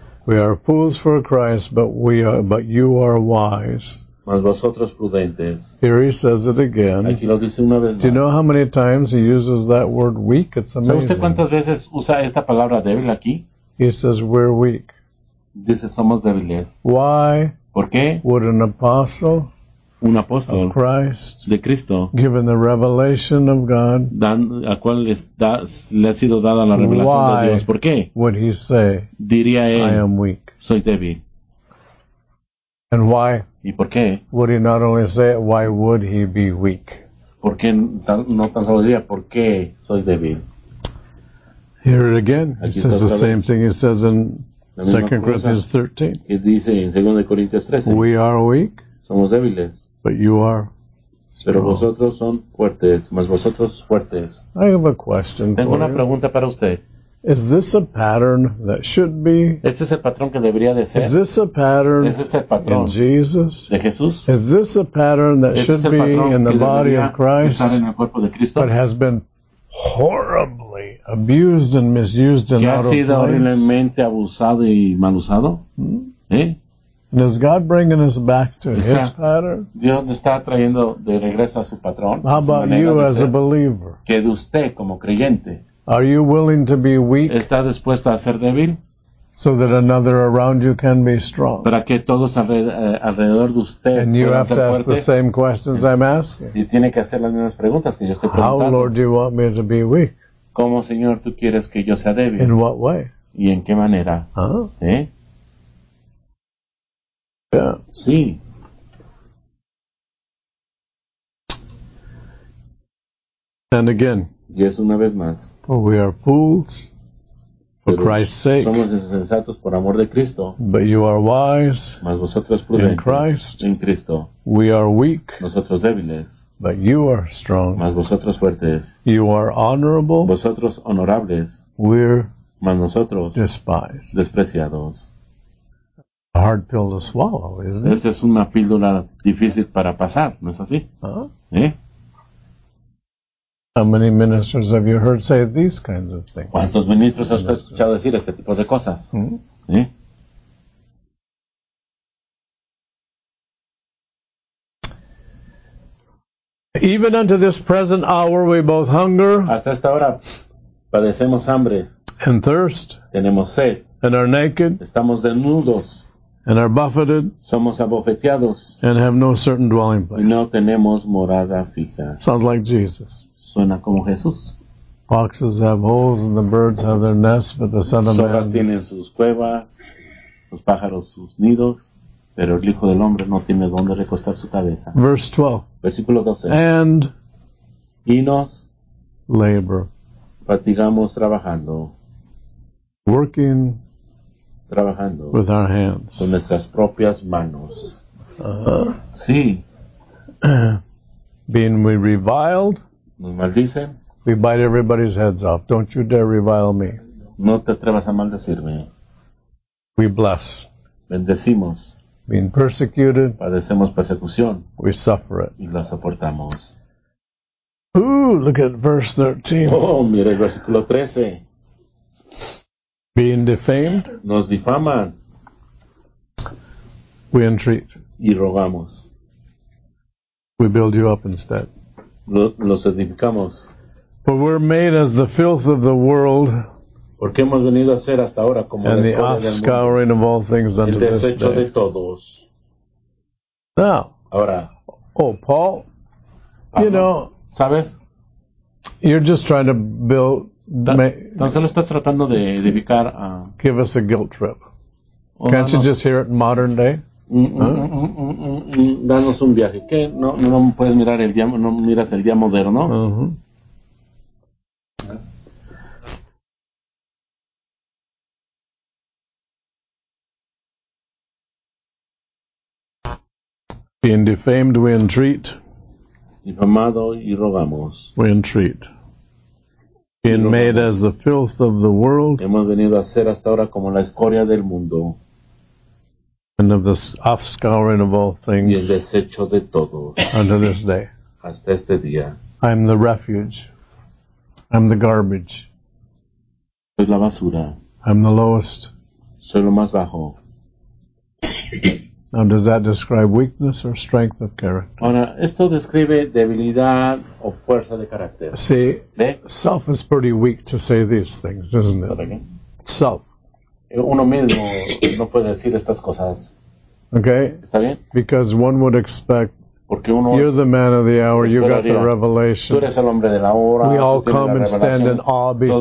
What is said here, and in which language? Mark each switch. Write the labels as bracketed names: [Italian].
[English] We are fools for Christ, but you are wise. [Spanish] Mas vosotros prudentes. [English] Here he says it again. [Spanish] Aquí lo dice una vez más. [English] Do you know how many times he uses that word weak? It's amazing. [Spanish] ¿Sabe usted cuántas veces usa esta palabra débil aquí? [English] He says we're weak. [Spanish] Dice somos débiles. [English] Why? [Spanish] ¿Por qué? [English] Would an apostle? [Spanish] Un apóstol [English] of Christ, [Spanish] de Cristo, [English] given the revelation of God, [Spanish] a cual le ha sido dada la revelación de Dios. ¿Por qué? [English] Would he say, [Spanish] diría él, [English] I am weak. [Spanish] Soy débil. [English] And why? [Spanish] ¿Y por qué? [English] Would he not only say, why would he be weak? [Spanish] ¿Por qué no tan solo diría, por qué soy débil? [English] Hear it again. Aquí he says the same thing he says in 2 Corinthians 13. [Spanish] Que dice en 2 Corintios 13. [English] We are weak. [Spanish] Somos débiles. [English] But you are strong. [Spanish] Pero vosotros son fuertes. Mas vosotros fuertes. [English] I have a question. [Spanish] Tengo [English] for [Spanish] una [English] you. [Spanish] Pregunta para usted. [English] Is this a pattern that should be? [Spanish] Este es el patrón que debería de ser. [English] Is this a pattern? [Spanish] Este es el patrón. [English] In Jesus. [Spanish] De Jesús. [English] Is this a pattern that [Spanish] este [English] should be in the body of Christ? [Spanish] Estar en el cuerpo de Cristo. [English] But has been horribly abused and misused and out of [Spanish] place. Que ha sido horriblemente abusado y mal usado. [English] And is God bringing us back to his pattern? [Spanish] Dios está trayendo de regreso a su patrón. [English] How about you as a believer? [Spanish] ¿Qué de usted como creyente? [English] Are you willing to be weak? [Spanish] ¿Está dispuesto a ser débil? [English] So that another around you can be strong. [Spanish] Para que todos alrededor de usted [English] and you have to ask the same questions I'm asking. [Spanish] Y tiene que hacer las mismas preguntas que yo estoy preguntando. [English] How, Lord, do you want me to be weak? [Spanish] ¿Cómo, Señor, tú quieres que yo sea débil? [English] In what way? [Spanish] ¿Y en qué manera? Uh-huh. ¿Eh? Yeah. Sí. [English] And again. [Spanish] Yes, una vez más. [English] For we are fools for Christ's sake. [Spanish] Somos insensatos por amor de Cristo. [English] But you are wise. [Spanish] Mas vosotros prudentes. [English] In Christ. [Spanish] En Cristo. [English] We are weak. [Spanish] Nosotros débiles. [English] But you are strong. [Spanish] Mas vosotros fuertes. [English] You are honorable. [Spanish] Vosotros honorables. [English] We're. [Spanish] Mas nosotros. [English] Despised. [Spanish] Despreciados. [English] A hard pill to swallow, isn't it? [Spanish] Esta es una píldora difícil para pasar, ¿no es así? Huh? [English] How many ministers have you heard say these kinds of things? [Spanish] ¿Cuántos ministros has usted escuchado decir este tipo de cosas? Mm-hmm. [English] Even unto this present hour we both hunger. [Spanish] Hasta esta hora padecemos hambre. [English] And thirst. [Spanish] Tenemos sed. [English] And are naked. [Spanish] Estamos desnudos. [English] And are buffeted. [Spanish] Somos abofeteados. [English] And have no certain dwelling place. [Spanish] Y no tenemos morada fija. [English] Sounds like Jesus. [Spanish] Suena como Jesús. [English] Foxes have holes and the birds have their nests, but the Son of Man. [Spanish] Zorras tienen sus cuevas, los pájaros sus nidos, pero el Hijo del Hombre no tiene dónde recostar su cabeza. [English] Verse 12. [Spanish] Versículo 12. [English] And. [Spanish] Y nos. [English] Labor. [Spanish] Fatigamos trabajando. [English] Working. [Spanish] Trabajando [English] with our hands. [Spanish] Con nuestras propias manos. Sí. [English] Being we reviled. [Spanish] Nos maldicen. [English] We bite everybody's heads off. Don't you dare revile me. [Spanish] No te atrevas a maldecirme. [English] We bless. [Spanish] Bendecimos. [English] Being persecuted. [Spanish] Padecemos persecución. [English] We suffer it. [Spanish] Y la soportamos. [English] Ooh, look at verse 13. [Spanish] Oh, mire el versículo 13. [English] Being defamed, [Spanish] nos difaman. [English] We entreat, [Spanish] y rogamos. [English] We build you up instead. [Spanish] Los edificamos. [English] For we're made as the filth of the world, [Spanish] porque hemos venido a ser hasta ahora como [English] and the offscouring of all things unto [Spanish] el desecho [English] this day. [Spanish] De todos. [English] Now, [Spanish] ahora, [English] oh Paul, [Spanish] Pablo, [English] you know, [Spanish] sabes, [English] you're just trying to build. [Spanish] Solo estás tratando de edificar a. [English] Give us a guilt trip. Can't you just hear it in modern day? [Spanish] Danos un viaje. ¿Qué? No puedes mirar el día, no miras el día moderno. [English] Being defamed, we entreat. [Spanish] Difamado y rogamos. [English] We entreat. Being made as the filth of the world. [Spanish] Hemos venido a ser hasta ahora como la escoria del mundo. [English] And of the offscouring of all things. [Spanish] Y el desecho de todos. [English] Unto this day. [Spanish] Hasta este día. [English] I'm the refuge. I'm the garbage. [Spanish] Soy la basura. [English] I'm the lowest. [Spanish] Soy lo más bajo. [English] Now, does that describe weakness or strength of character? [Spanish] Ahora, esto describe debilidad o fuerza de carácter. [English] See, ¿de? Self is pretty weak to say these things, isn't it? Self. [Spanish] Uno mismo no puede decir estas cosas. [English] Okay. [Spanish] ¿Está bien? [English] Because one would expect, [Spanish] porque uno, [English] you're the man of the hour, you got the revelation. [Spanish] Tú eres el hombre de la hora. [English] We all come and stand in awe before